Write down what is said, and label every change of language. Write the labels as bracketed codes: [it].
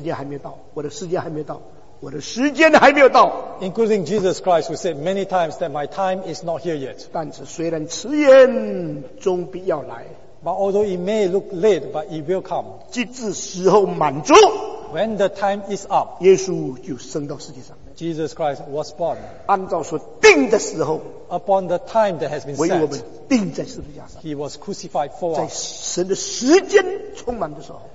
[zh] 连耶稣基督在他自己的身上好几次说因为我的时间还没有到, 我的时间还没有到, [en] including Jesus Christ who said many times that my time is not here yet. [zh] 但是虽然迟延终必要来, [en] but although it may look late, but it will come. [zh] 即至时候满足, [en] when the time is up, [zh] 耶稣就生到世界上, [en] Jesus Christ was born. [zh] 按照说定的时候, [en] upon the time that has been set, [zh] 为我们定在十字架上, [en] He was crucified for us. [zh] 在神的时间充满的时候,